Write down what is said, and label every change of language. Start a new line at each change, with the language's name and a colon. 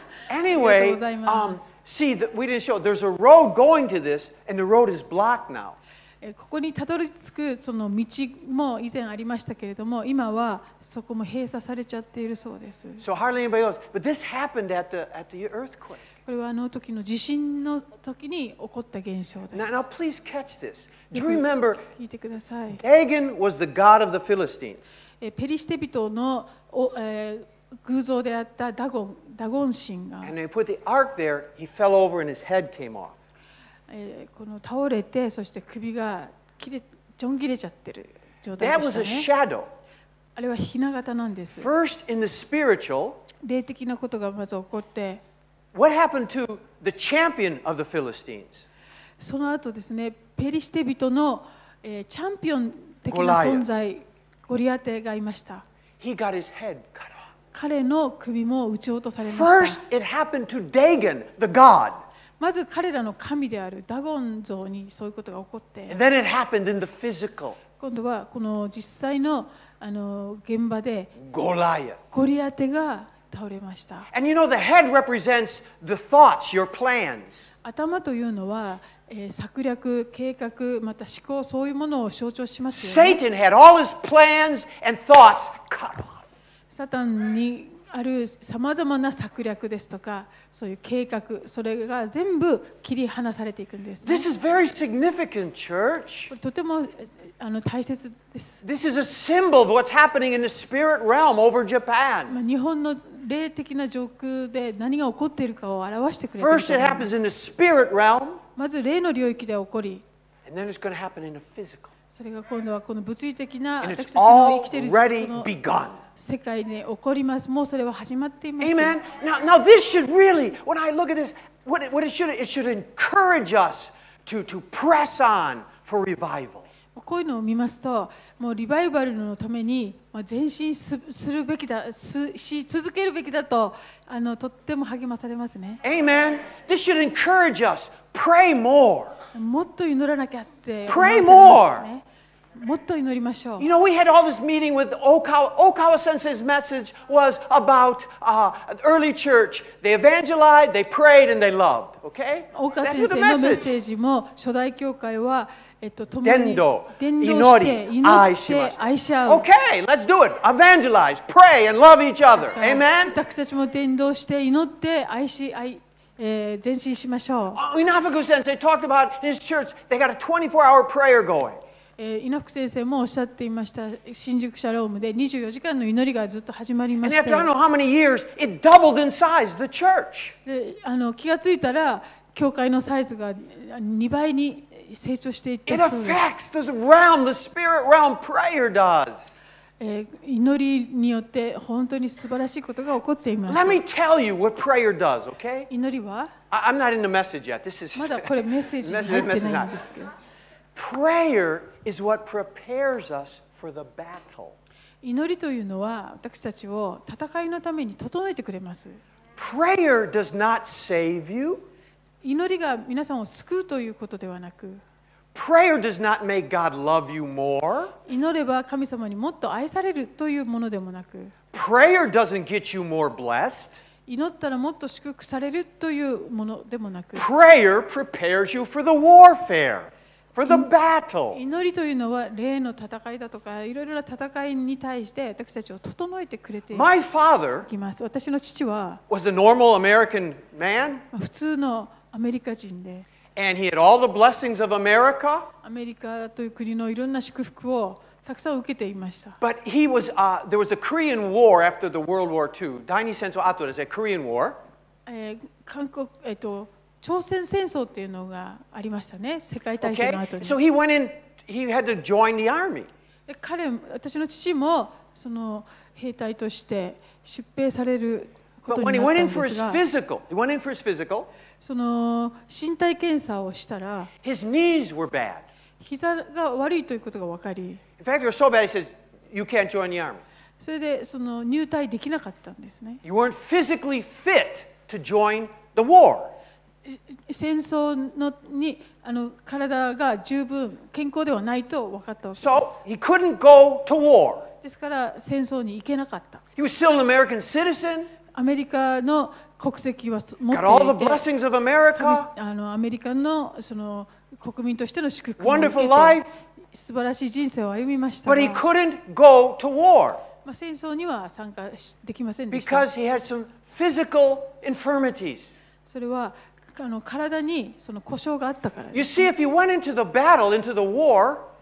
English: Anyway, see, we didn't show. There's a road going to this, and the road is blocked now.
Japanese: ここにたどり着くその道も以前ありましたけれども、今はそこも閉鎖されちゃっているそうです。
English: So hardly anybody knows, but this happened at the earthquake.
Japanese: これはあの時の地震の時に起こった現象です。
English: Now please catch this. Do you remember?
Japanese: 聞いてください。
English: Dagon was the god of the Philistines.
Japanese: ペリシテ人の偶像であったダゴン神が。
English: And they put the ark there. He fell over and his head came off.
Japanese: この倒れてそして首が切れちょん切れちゃってる状態でしたね。
English: That was a shadow.
Japanese: あれは雛形なんです。
English: First in the spiritual.
Japanese: 霊的なことがまず起こって。
English: What happened to the champion of the Philistines?
Japanese: その後ですね、ペリシテ人の、チャンピオン的な存在、ゴリアテがいました。
English: He got his head cut off.
Japanese: 彼の首も打ち落とされました。
English: First, it happened to Dagon, the god.
Japanese: まず彼らの神であるダゴン像にそういうことが起こって。
English: And then it happened in the physical.
Japanese: 今度はこの実際の、現場で、ゴリアテ。ゴリアテが倒れました。
English: And you know the head represents the thoughts, your plans.
Japanese: 頭というのは、策略、計画、また思考、そういうものを象徴しますよね。
English: Satan had all his plans and thoughts cut off.
Japanese: サタンにある様々な策略ですとか、そういう計画、それが全部切り離されていくんです、ね。
English: This is very significant, church.
Japanese: とても大切です。
English: This is a symbol of what's happening in the spirit realm over Japan.
Japanese: 日本の霊的な上空で何が起こっているかを表してくれています。
English: First, it happens in the spirit realm.
Japanese: まず霊の領域で起こり。
English: And then it's going to happen in the physical.
Japanese: それが今度はこの物理的な私たちの生きている
English: already begun.
Japanese: 世界で起こります。もうそれは始まっています。
English: Amen. Now this should really, when I look at this, what it should encourage us to press on for revival.
Japanese: こういうのを見ますと、もうリバイバルのために前進するべきだ、し続けるべきだと、とっても励まされますね。
English: Amen. This should encourage us. Pray more.
Japanese: もっと祈らなきゃって、ね。
English: Pray more.
Japanese: もっと祈りましょう。
English: You know, we had all this meeting with Okawa. Okawa Sensei's message was about early church. They evangelized, they prayed, and they loved. Okay? Okawa Sensei's message
Japanese: も初代教会は伝道、伝道して祈り、愛しました。愛し合う。
English: Okay, let's do it. Evangelize, pray, and love each other. Amen.
Japanese: 私たちも伝道して祈って愛し愛、前進しましょう。
English: Inafuku Sensei talked about his church. They got a 24-hour prayer going.
Japanese: Inafuku Sensei もおっしゃっていました。新宿シャロームで24時間の祈りがずっと始まりました。
English: And after I don't know how many years, it doubled in size. The church.
Japanese: 気がついたら教会のサイズが2倍に。成長していったそうです。
English: It affects the realm, the spirit realm. Prayer does.
Japanese: 祈りによって本当に素晴らしいことが起こっています。
English: Let me tell you what prayer does, okay?
Japanese: 祈りは？
English: I'm not in the message yet. This is
Japanese: まだこれメッセージに入ってないんですけど。
English: Prayer is what prepares us for the battle.
Japanese: 祈りというのは私たちを戦いのために整えてくれます。
English: Prayer does not save you.
Japanese: 祈りが皆さんを救うということではなく、
English: Prayer does not make God love you more.
Japanese: 祈れば神様にもっと愛されるというものでもなく、
English: Prayer doesn't get you more blessed.
Japanese: 祈ったらもっと祝福されるというものでもなく、
English: Prayer prepares you for the warfare, for the battle.
Japanese: 祈りというのは霊の戦いだとかいろいろな戦いに対して私たちを整えてくれています
English: 。 My father,
Japanese: 私の父は、
English: was a normal American man.
Japanese: 普通のアメリカ人で、
English: and he had all the blessings of America.
Japanese: アメリカという国のいろんな祝福をたくさん受けていました。
English: But he was there was a Korean War after the World War II.
Japanese: 第二次戦争後です。
English: Korean War.
Japanese: 韓国朝鮮戦争っていうのがありましたね。世界大戦の後に。
English: Okay. So he went in. He had to join the army.
Japanese: 彼私の父もその兵隊として出兵される。ことになったんですが、
English: he went in for his physical,
Japanese: その身体検査をしたら、
English: his knees were bad.
Japanese: 膝が悪いということが分かり、
English: in fact, they were so bad, he says, you can't join the army.
Japanese: それでその入隊できなかったんですね。
English: You weren't physically fit to join the war.
Japanese: 戦争のに体が十分健康ではないと分かったわけです。
English: So he couldn't go to war.
Japanese: ですから戦争に行けなかった。
English: He was still an American citizen.
Japanese: アメリカの国籍は持っていて、
English: got all the blessings of America.
Japanese: アメリカのその国民としての祝福も受けて、
English: wonderful life.
Japanese: 素晴らしい人生を歩みましたが、
English: but he couldn't go to war.
Japanese: 戦争には参加できませんでした。
English: Because he had some physical infirmities.
Japanese: それは体にその故障があったからです
English: You see, if you went into the battle, into the war,